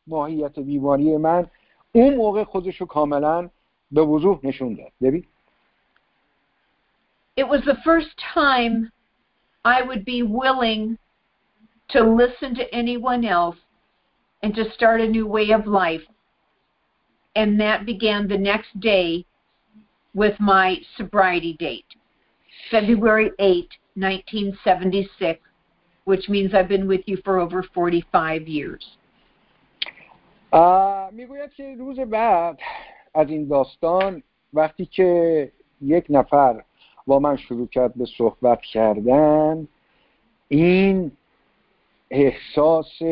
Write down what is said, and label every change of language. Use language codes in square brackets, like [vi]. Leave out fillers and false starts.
[fa] ماهیت بیماری من اون موقع خودشو کاملا به وضوح نشون داد. ببین [en] It was the first time I would be willing to listen to anyone else and to start a new way of life. And that began the next day with my sobriety date, February 8, 1976, which means I've been with you for over 45 years. [fa] میگوید که روز بعد از این داستان وقتی که یک نفر با من شروع کرد به صحبت کردن، این احساس